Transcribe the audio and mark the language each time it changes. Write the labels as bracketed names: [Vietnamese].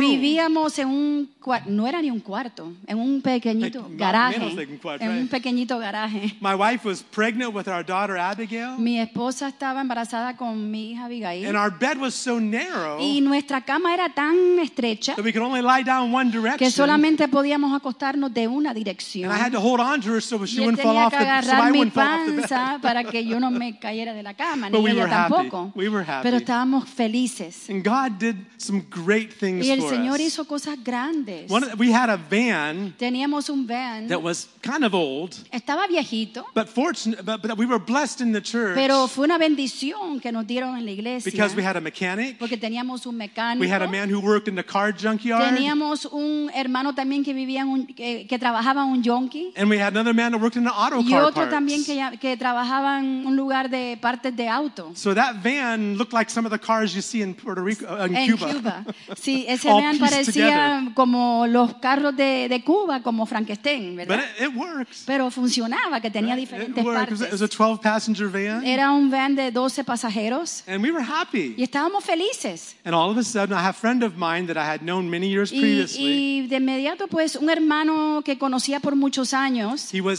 [Spanish] Vivíamos en un no era ni un cuarto, en un pequeñito garaje. En un pequeñito garaje. [English] My wife was pregnant with our daughter Abigail. [Spanish] Mi esposa estaba embarazada con mi hija Abigail. [English] And our bed was so narrow. [Spanish] Y nuestra cama era tan estrecha. [English] That we could only lie down one direction. [Spanish] Que solamente podíamos acostarnos de una dirección. [English] And I had to hold on to her so she wouldn't fall off the bed. [Spanish] Tenía que agarrar mi panza para que yo no me cayera de la cama, ni ella tampoco. [English] We were happy. [Spanish] Pero estábamos felices. [English] And God did some great things for us. [Spanish] Y el Señor hizo cosas grandes. [English] We had a van. [Spanish] Teníamos un van. [English] That was kind of old. [Spanish] Estaba viejito. [English] But fortunate, but we were blessed in the church. [Spanish] Pero fue una bendición que nos dieron en la iglesia. [English] Because we had a mechanic. [Spanish] Porque teníamos un mecánico. [English] We had a man who worked in the car junkyard. [Spanish] Teníamos un hermano también que vivía en un que trabajaba en un junky. [English] And we had another man that worked in the auto car parts. [Spanish] Y otro también que trabajaba en un lugar de partes de auto. [English] So that van looked like some of the cars you see in Puerto Rico, in Cuba. [Spanish] Sí, ese van parecía como los carros de Cuba, como Frankenstein, ¿verdad? [English] But it works. [Spanish] Pero funcionaba, que tenía diferentes partes. [English] It was a 12-passenger van. [Spanish] Era un van de 12 pasajeros. [English] And we were happy. [Spanish] Y estábamos felices. [English] And all of a sudden, I have a friend of mine that I had known many years previously. [Spanish] Y de inmediato, pues, un hermano que conocía por muchos años.